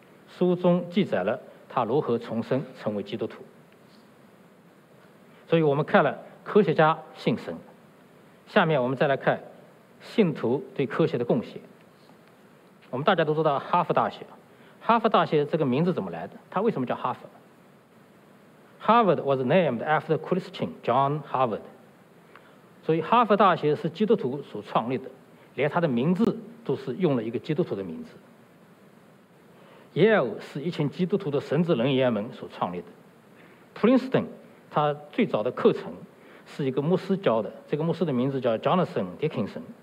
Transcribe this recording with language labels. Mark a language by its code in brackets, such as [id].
[zh] 书中记载了他如何重生成为基督徒。所以我们看了科学家信神，下面我们再来看信徒对科学的贡献。我们大家都知道哈佛大学，哈佛大学这个名字怎么来的？它为什么叫哈佛？ [en] Harvard was named after Christian John Harvard. [zh] 所以哈佛大学是基督徒所创立的，连他的名字都是用了一个基督徒的名字。 Yale 是一群基督徒的神职人员们所创立的。Princeton 他最早的课程是一个牧师教的，这个牧师的名字叫 Jonathan Dickinson。